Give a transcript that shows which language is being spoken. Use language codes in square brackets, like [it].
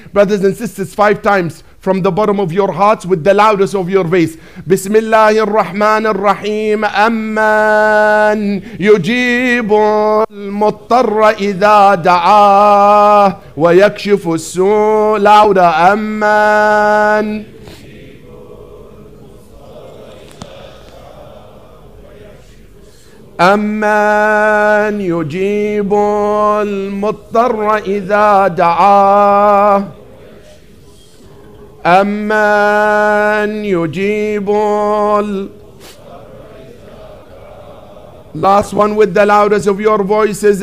[en] Brothers and sisters, five times from the bottom of your hearts with the loudest of your voice. [ar] بسم الله الرحمن الرحيم أمن يجيب المضطر إذا دعاه ويكشف السوء. [en] Louder. [ar] أمن أمن يجيب المضطر إذا دعاه أمن يجيب ال... [en] Last one with the loudest of your voices.